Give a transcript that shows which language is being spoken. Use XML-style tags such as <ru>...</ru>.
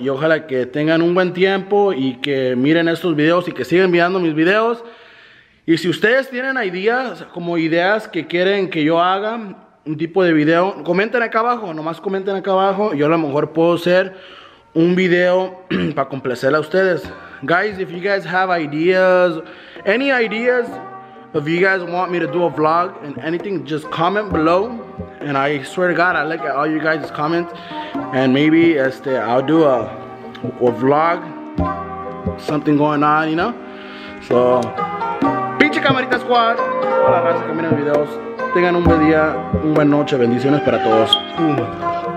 <es>Y ojalá que tengan un buen tiempo y que miren estos videos y que sigan mirando mis videos. Y si ustedes tienen ideas, como ideas que quieren que yo haga un tipo de video, comenten acá abajo, nomás comenten acá abajo. Yo a lo mejor puedo hacer un video para complacer a ustedes.</es> <en>Guys, if you guys have ideas, any ideas, if you guys want me to do a vlog and anything, just comment below. And I swear to God, I look at all you guys' comments. And maybe I'll do a vlog, something going on, you know?</en> <es>So, pinche camarita squad, toda la raza que mira los videos, tengan un buen día, una buena noche, bendiciones para todos.</es>